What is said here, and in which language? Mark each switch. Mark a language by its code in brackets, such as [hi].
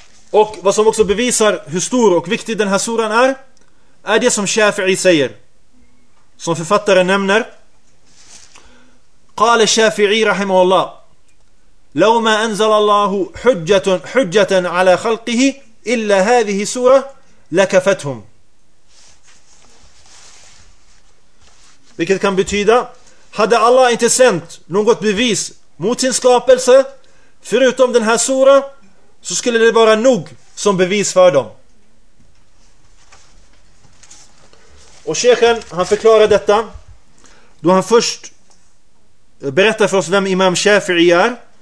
[sv] Och vad som också bevisar hur stor och viktig den här suran är det som Shafi'i säger, som författaren nämner. [ar] قال الشافعي رحمه الله لو ما أنزل الله حجة على خلقه إلا هذه سورة لكفتهم. [sv] Vilket kan betyda: hade Allah inte sänt något bevis mot sin skapelse förutom den här sura, så skulle det vara nog som bevis för dem. Och sheikhen, han förklarar detta då han först berättar för oss vem Imam Shafi'i är.